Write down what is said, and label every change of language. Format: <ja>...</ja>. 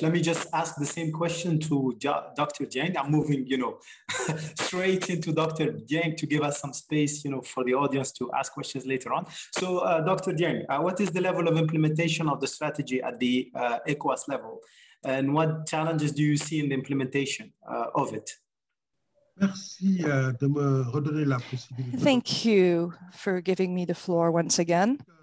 <en>Let me just ask the same question to Dr. Jiang. I'm moving, you know, straight into Dr. Jiang to give us some space, you know, for the audience to ask questions later on. So, Dr. Jiang, what is the level of implementation of the strategy at the ECOWAS level? And what challenges do you see in the implementation of it?</en> <fr>Merci de me redonner la possibilité.</fr> <en>Thank you for giving me the floor once again.</en>